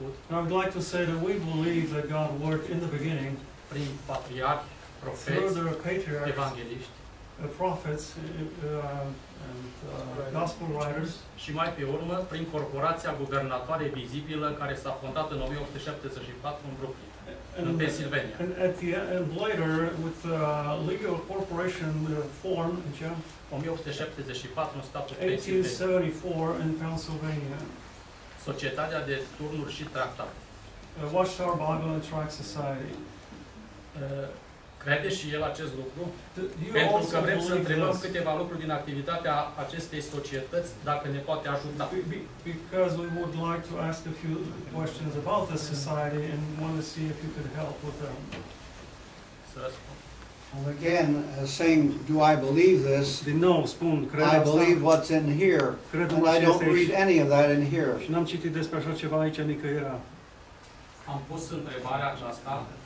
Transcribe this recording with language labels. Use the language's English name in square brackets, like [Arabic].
[English] I would like to say that we believe that God worked in the beginning through the patriarchs, evangelists, prophets and gospel writers, [Romanian] și mai pe urmă prin corporația guvernatoare vizibilă care s-a fondat în 1874 în Brooklyn, în Pennsylvania. [English] And at the end, later with a legal corporation form in [Romanian] 1874 în statul [English] Pennsylvania. 1874 in Pennsylvania. [Romanian] Societatea de turnuri și tractat. [English] Watchtower Bible and Tract Society. [Romanian] Crede și el acest lucru? Pentru că vrem să întrebăm câteva lucruri din activitatea acestei societăți, dacă ne poate ajuta. [English] Because we would like to ask a few questions about the society and want to see if you could help with them. Well, again, saying, do I believe this? [Romanian] Din nou, spun, cred. [English] I believe what's in here. [Romanian] Cred, [English] and I don't read any of that in here. [Romanian] Și n-am citit despre așa ceva aici nicăieri. Am pus întrebarea aceasta.